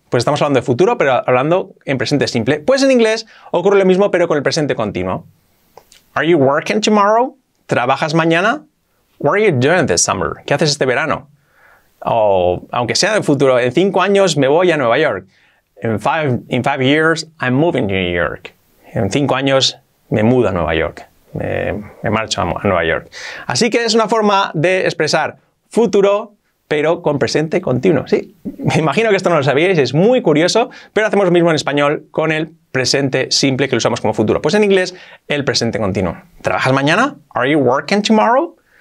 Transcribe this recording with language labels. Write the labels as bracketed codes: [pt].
[es] Pues estamos hablando de futuro, pero hablando en presente simple. Pues en inglés ocurre lo mismo, pero con el presente continuo. [en] Are you working tomorrow? [es] ¿Trabajas mañana? [en] What are you doing this summer? [es] ¿Qué haces este verano? O, aunque sea del futuro, en 5 años me voy a Nueva York. [en] In five years, I'm moving to New York. [es] En 5 años me mudo a Nueva York. Me marcho a Nueva York. Así que es una forma de expresar futuro, pero con presente continuo. Sí, me imagino que esto no lo sabíais, es muy curioso, pero hacemos lo mismo en español con el presente simple que lo usamos como futuro. Pues en inglés, el presente continuo. ¿Trabajas mañana? [en] Are you working tomorrow?